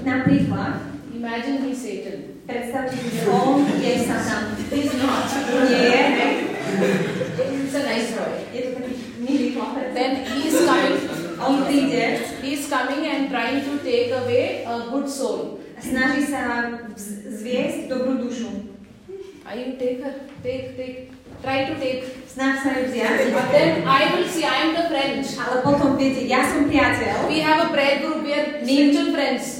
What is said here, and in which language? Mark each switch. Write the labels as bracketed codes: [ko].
[sk] Napríklad. [en] Imagine he's Satan. [sk] Predstavte si, že on je Satan. [en] He's not. [sk] Nie je. [en] It's a nice boy. [sk] Je to taký milý chlapec. [en] Then he's coming. He's coming and trying to take away a good soul. [sk] Snaží sa zviesť dobrú dušu. [en] I will take her. Try to take. [sk] Snaž sa ju vziať. [en] But then I will see, I am the friend. [sk] Ale potom viete, ja som priateľ. [en] We have a prayer group, we are spiritual friends.